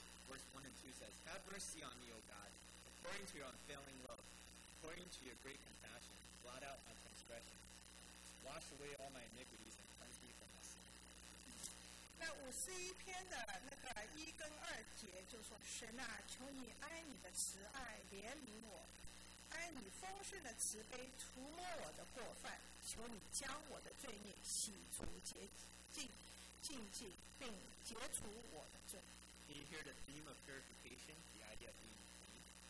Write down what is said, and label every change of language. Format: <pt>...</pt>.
<en>Verse 1 and 2 says, Have mercy on me, O God, according to your unfailing love, according to your great compassion, blot out my transgressions. Wash away all my iniquities and cleanse me from my sin.</en> <zh>那51篇的那个一跟二节就说，神啊，求你按你的慈爱怜悯我，按你丰盛的慈悲涂抹我的过犯，求你将我的罪孽洗除洁净，净记并洁除我的罪。</zh> <en>Can you hear the theme of purification, the idea of being clean?</en>